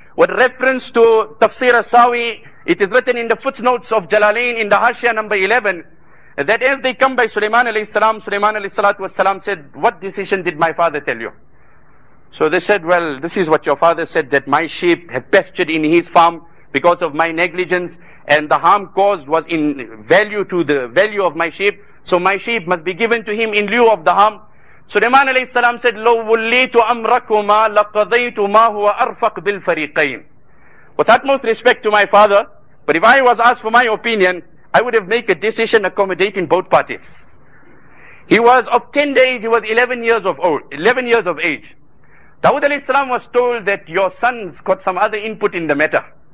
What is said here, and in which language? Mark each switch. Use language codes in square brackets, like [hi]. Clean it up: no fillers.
[en] With reference to Tafsir al-Sawi, it is written in the footnotes of Jalalain in the Hashia number 11, that as they come by Sulaiman alayhi salam, Sulaiman alayhi salatu wasalam said, what decision did my father tell you? So they said, well, this is what your father said, that my sheep had pastured in his farm because of my negligence, and the harm caused was in value to the value of my sheep. So my sheep must be given to him in lieu of the harm. Sulaiman alayhi salam said, [ar] لَوْ وُلِّيْتُ أَمْرَكُمَا لَقَضَيْتُ مَا هُوَ أَرْفَقْ بِالْفَرِيقَيْنِ. [en] With utmost respect to my father, but if I was asked for my opinion, I would have made a decision accommodating both parties. He was of tender age, he was 11 years of age. Dawud alayhi salam was told that your sons got some other input in the matter.